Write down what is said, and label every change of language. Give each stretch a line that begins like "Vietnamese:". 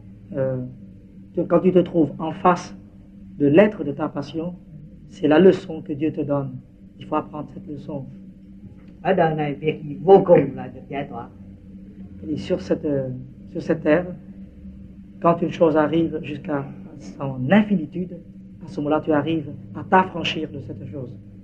French: Quand tu te trouves en face de l'être de ta passion, c'est la leçon que Dieu te donne. Il faut apprendre cette leçon.
Vietnamese: Ở đời này việc gì vô cùng là được giải tỏa.
French: Et sur cette terre, quand une chose arrive jusqu'à son infinitude, à ce moment-là tu arrives à t'affranchir de cette chose.